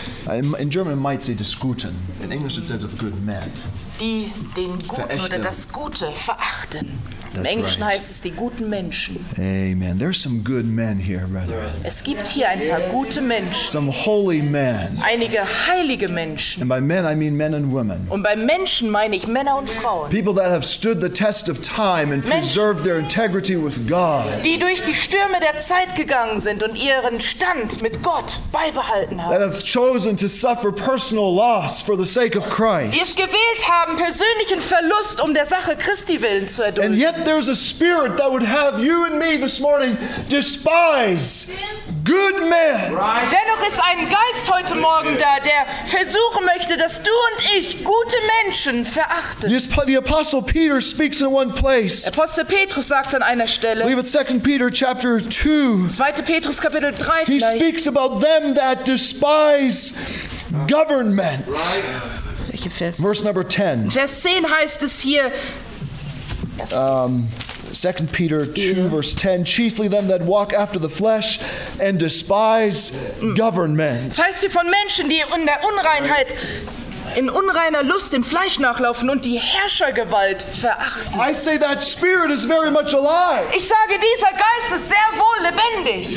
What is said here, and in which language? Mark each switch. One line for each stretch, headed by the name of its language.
English: In German it might say disguten. In English it says of good men.
German: Die den Guten oder das Gute verachten.
English: That's
German: im Englischen
English: right.
German: Heißt es die guten Menschen.
English: Amen. There's some good men here, brethren.
German: Es gibt hier ein paar gute Menschen.
English: Some holy men.
German: Einige heilige Menschen.
English: And by men I mean men and women.
German: Und bei Menschen meine ich Männer und Frauen.
English: People that have stood the test of time and preserved their integrity with God.
German: Die durch die Stürme der Zeit gegangen sind und ihren Stand mit Gott beibehalten haben.
English: That have chosen to suffer personal loss for the sake of Christ.
German: Die es gewählt haben, persönlichen Verlust um der Sache Christi willen zu erdulden.
English: And yet there's a spirit that would have you and me this morning despise good men.
German: Dennoch ist ein Geist heute Morgen da, der versuchen möchte, dass du und ich gute Menschen verachten.
English: The Apostle Peter speaks in one place.
German: Apostel Petrus sagt an einer Stelle.
English: Leave it 2 Peter chapter 2.
German: 2. Petrus Kapitel 3 vielleicht.
English: He speaks about them that despise government. Verse number 10.
German: Vers 10 heißt es hier.
English: 2 Peter 2, yeah. Verse 10, chiefly them that walk after the flesh and despise government.
German: Das heißt, sie von Menschen, die in der Unreinheit, in unreiner Lust dem Fleisch nachlaufen und die Herrschergewalt verachten.
English: I say that spirit is very much alive.
German: Ich sage, dieser Geist ist sehr wohl lebendig.